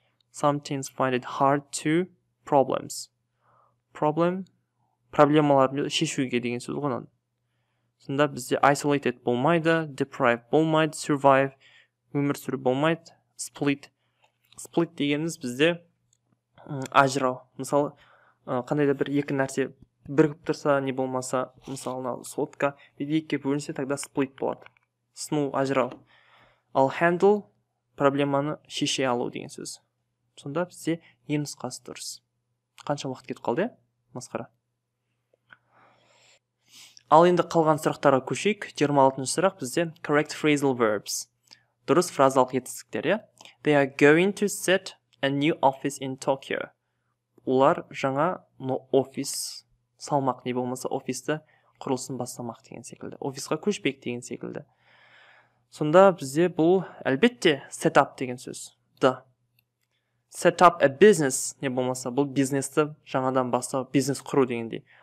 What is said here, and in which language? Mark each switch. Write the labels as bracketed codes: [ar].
[en] Some teens find it hard to problems. [kk] Problem проблемалар шешуге деген сөз ғой. Сонда бізде isolated болмайды, deprived болмайды, survive, өмір сүру болмайды, split. Split дегеніміз бізде ажырау. Мысалы, қандай да бір екі нәрсе бірігіп тұрса, не болмаса, мысалына сотка, екіге бөлінсе, тогда split болады. Сыну, ажырау. Ал handle, проблеманы шеше алу деген сөз. Сонда бізде ең нұсқасы дұрыс. Қанша уақыт кетіп қалды, масқара? Ал енді қалған сұрақтарға көшейік. 26-ші сұрақ бізде [en] correct phrasal verbs. [kk] Дұрыс фразалық етістіктер, [en] They are going to set a new office in Tokyo. [kk] Олар жаңа офис салмақ, не болмаса офисті құрылысын бастамақ деген секілді. Офисқа көшпек деген секілді. Сонда бізде бұл әлбетте set up деген сөз. Да. [en] Set up a business, [kk] не болмаса бұл бизнесті жаңадан бастау, бизнес құру дегендей.